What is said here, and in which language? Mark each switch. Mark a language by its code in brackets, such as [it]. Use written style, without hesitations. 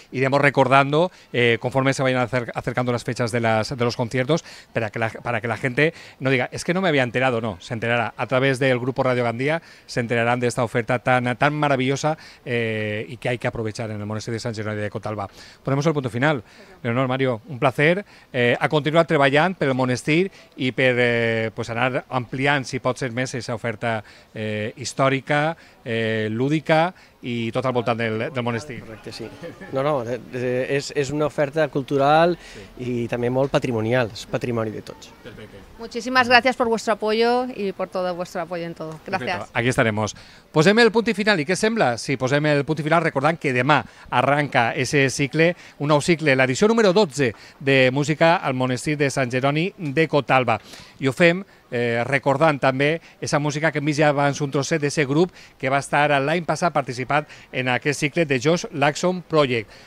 [es] Iremos recordando conforme se vayan acercando las fechas de los conciertos, para que la gente no diga, es que no me había enterado, no, se enterará a través del Grupo Radio Gandía, se enterarán de esta oferta tan, tan maravillosa y que hay que aprovechar en el Monestir de San Jeroni de Cotalba. Ponemos el punto final. [ca] Leonor, Mario, [es] un placer [ca] a continuar treballant per el Monestir y per pues anar ampliant, si pot ser més, esa oferta històrica, lúdica i tot al voltant del Monestir. Correcte, sí. No, és una oferta cultural, sí, i també molt patrimonial, és patrimoni de tots. Perfecte. [es] Muchísimas gracias por vuestro apoyo y por todo vuestro apoyo en todo. Gracias. Perfecto. Aquí estaremos. [ca] Posem el punt final. I què sembla? Sí, posem el punt final recordant que demà arranca ese cicle, un nou cicle, l'edició número 12 de música al Monestir de Sant Jeroni de Cotalba. I ho fem recordant també esa música que hem vist ja abans, un trosset d'ese grup que va estar l'any passat participant en aquest cicle de Josh Laxon Project.